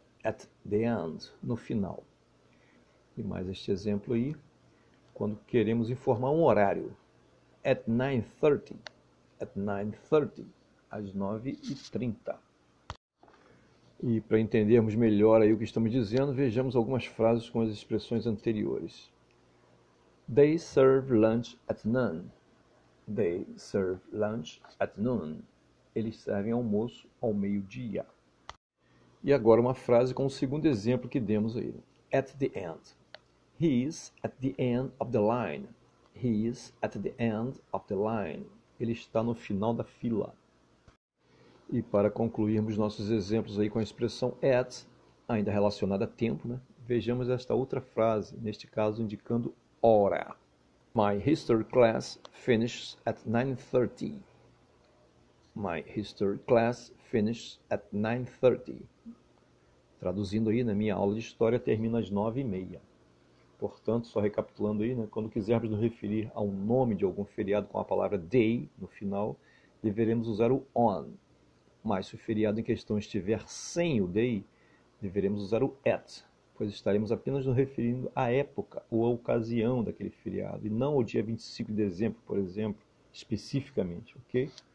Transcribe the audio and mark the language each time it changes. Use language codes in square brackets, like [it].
[en] At the end, [pt] no final. E mais este exemplo aí, quando queremos informar um horário. [en] At 9:30. At 9:30, [pt] às 9:30. E para entendermos melhor aí o que estamos dizendo, vejamos algumas frases com as expressões anteriores. [en] They serve lunch at noon. They serve lunch at noon. [pt] Eles servem almoço ao meio-dia. E agora uma frase com o segundo exemplo que demos aí. [en] At the end. He is at the end of the line. He is at the end of the line. [pt] Ele está no final da fila. E para concluirmos nossos exemplos aí com a expressão at, ainda relacionada a tempo, né? Vejamos esta outra frase, neste caso indicando hora. [en] My history class finishes at 9:30. My history class finishes at 9:30. [pt] Traduzindo aí, na minha aula de história termina às 9:30. Portanto, só recapitulando aí, né? Quando quisermos nos referir a um nome de algum feriado com a palavra day no final, deveremos usar o on. Mas se o feriado em questão estiver sem o day, deveremos usar o at, pois estaremos apenas nos referindo à época ou à ocasião daquele feriado, e não ao dia 25 de dezembro, por exemplo, especificamente, ok?